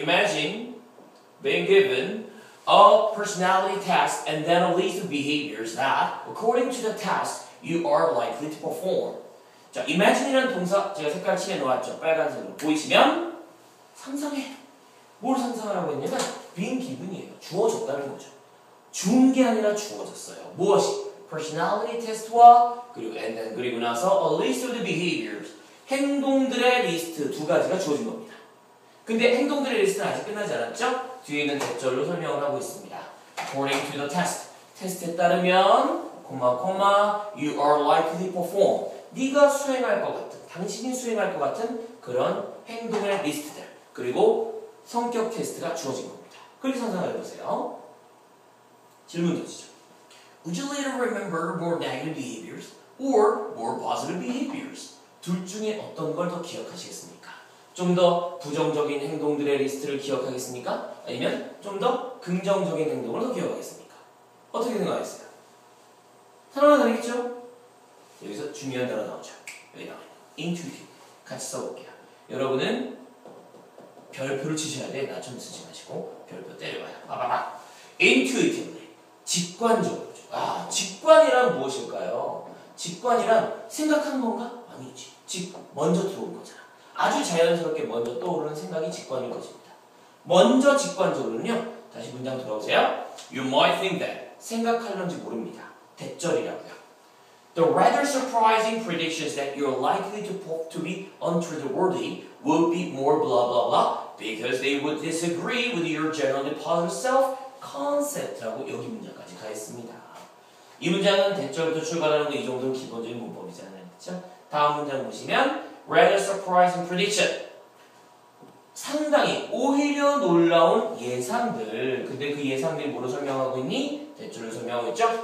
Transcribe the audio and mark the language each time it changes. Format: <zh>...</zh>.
<en>Imagine being given a personality test and then a list of behaviors that, according to the test, you are likely to perform.</en> <ko>자, imagine이라는 동사 제가 색깔 칠해 놓았죠. 빨간색으로 보이시면 상상해. 뭘 상상하라고 했냐면 being given이에요. 주어졌다는 거죠. 준 게 아니라 주어졌어요. 무엇이? personality test와 그리고 and then 그리고 나서 a list of the behaviors 행동들의 리스트 두 가지가 주어진 겁니다. 근데 행동들의 리스트는 아직 끝나지 않았죠? 뒤에 있는 대절로 설명을 하고 있습니다. according to the test 테스트에 따르면 ... you are likely to perform 네가 수행할 것 같은, 당신이 수행할 것 같은 그런 행동의 리스트들 그리고 성격 테스트가 주어진 겁니다. 그렇게 상상해보세요. 질문 드시죠.</ko> <en>Would you later remember more negative behaviors or more positive behaviors?</en> <ko>둘 중에 어떤 걸 더 기억하시겠습니까? 좀 더 부정적인 행동들의 리스트를 기억하겠습니까? 아니면 좀 더 긍정적인 행동을 더 기억하겠습니까? 어떻게 생각하세요? 하나만 다르겠죠? 여기서 중요한 단어 나오죠. 여기 나와요. Intuitive. 같이 써볼게요. 여러분은 별표를 치셔야 돼. 나 좀 쓰지 마시고 별표 때려봐요. 봐봐봐. Intuitively. 직관적으로. 아, 직관이란 무엇일까요? 직관이란 생각한 건가? 아니지. 먼저 들어온 거잖아. 아주 자연스럽게 먼저 떠오르는 생각이 직관인 것입니다. 먼저 직관적으로는요. 다시 문장 돌아오세요. You might think that. 생각하려는지 모릅니다. 대절이라고요.</ko> <en>The rather surprising predictions that you're likely to be untrustworthy would be more blah blah blah because they would disagree with your generally positive self-concept 라고 여기 문장까지 가있습니다.</en> <ko>이 문장은 대절부터 출발하는 게 이 정도는 기본적인 문법이잖아요. 그렇죠? 다음 문장 보시면 rather surprising prediction 상당히 오히려 놀라운 예상들 근데 그 예상들이 뭐로 설명하고 있니? 대출을 설명하고 있죠?</ko>